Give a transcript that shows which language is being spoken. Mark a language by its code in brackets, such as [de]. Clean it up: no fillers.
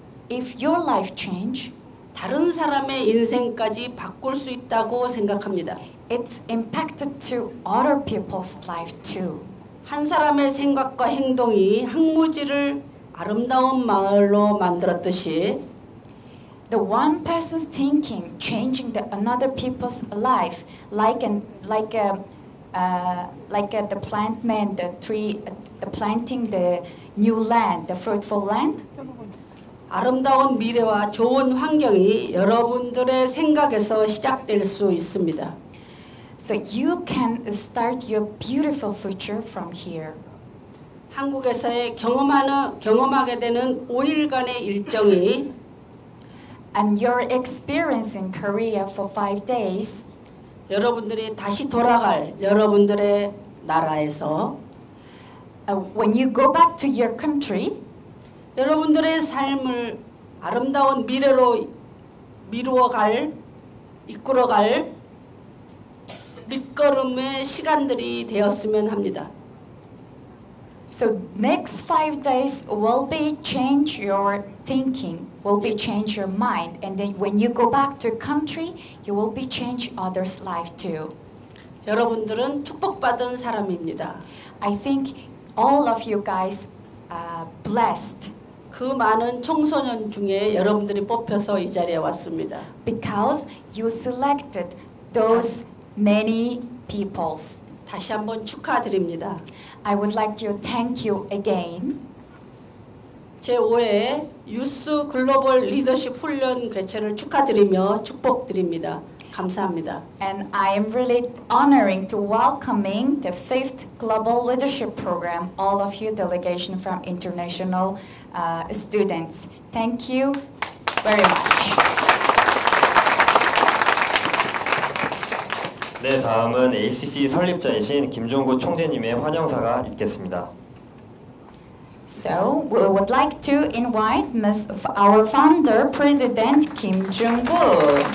[en] if your life change. [ko] 다른 사람의 인생까지 바꿀 수 있다고 생각합니다. [en] It's impacted to other people's life too. [ko] 한 사람의 생각과 행동이 황무지를 아름다운 마을로 만들었듯이 [en] The one person's thinking changing the another people's life like the plant man, the tree, the planting the new land, the fruitful land. [ko] 아름다운 미래와 좋은 환경이 여러분들의 생각에서 시작될 수 있습니다. [en] So you can start your beautiful future from here. [ko] 한국에서의 경험하게 되는 5일간의 일정이 [en] and your experience in Korea for 5 days [ko] 여러분들이 다시 돌아갈 여러분들의 나라에서 [en] when you go back to your country [ko] 여러분들의 삶을 아름다운 미래로 미루어 갈, 이끌어 갈 밑거름의 시간들이 되었으면 합니다. [en] So next 5 days will be change your thinking, will be change your mind, and then when you go back to country, you will be change others' life too. [ko] 여러분들은 축복받은 사람입니다. [en] I think all of you guys blessed. [ko] 그 많은 청소년 중에 여러분들이 뽑혀서 이 자리에 왔습니다. [en] Because you selected those many people. [ko] 다시 한번 축하드립니다. [en] I would like to thank you again. [ko] 제5회 유스 글로벌 리더십 훈련 개최를 축하드리며 축복드립니다. 감사합니다. [en] And I am really honoring to welcoming the 5th Global Leadership Program, all of you delegation from international students. Thank you very much. [ko] 네, 다음은 ACC 설립자이신 김종구 총재님의 환영사가 있겠습니다. [en] So we would like to invite our founder, President Kim Jong-woo.